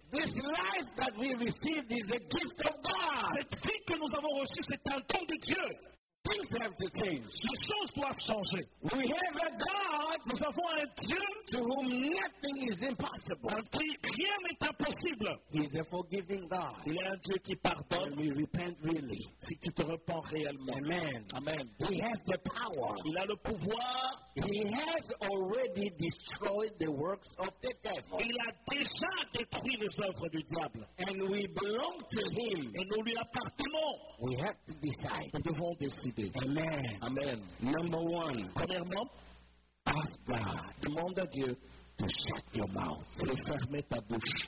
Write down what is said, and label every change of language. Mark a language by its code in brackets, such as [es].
[en] This life that we received is a gift of God. [fr] Cette vie que nous avons reçue, c'est un don de Dieu. [en] Things have to change. [fr] Les choses doivent changer. [en] We have a God. [fr] Nous avons un Dieu [en] to whom nothing is impossible. [fr] En qui rien n'est impossible. [en] He is a forgiving God. [fr] Il est un Dieu qui pardonne. [en] When we repent really. [fr] Si tu te repens réellement. [en] Amen. [fr] Amen. [en] He has the power. [fr] Il a le pouvoir. [en] He has already destroyed the works of the devil. [fr] Il a déjà détruit les œuvres du diable. [en] And we belong to him. [fr] Et nous lui appartenons. [en] We have to decide. [fr] Nous devons décider. [en] Amen. [fr] Amen. [en] Number one. [fr] Premièrement, [en] ask God. [fr] Demande à Dieu [en] to shut your mouth. [fr] De fermer ta bouche.